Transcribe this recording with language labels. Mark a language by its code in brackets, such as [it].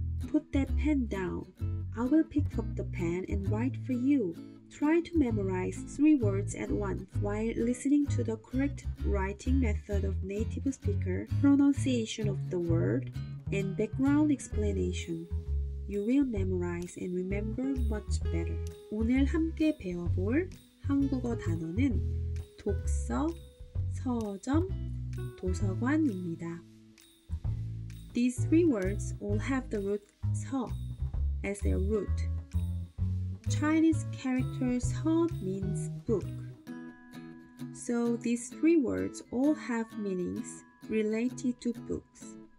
[en] Put that pen down. I will pick up the pen and write for you. Try to memorize three words at once while listening to the correct writing method of native speaker, pronunciation of the word, and background explanation. You will memorize and remember much better. [ko] 오늘 함께 배워볼 한국어 단어는 독서, 서점, 도서관입니다. [en] These three words all have the root 서 as their root. Chinese character 서 means book. So these three words all have meanings related to books.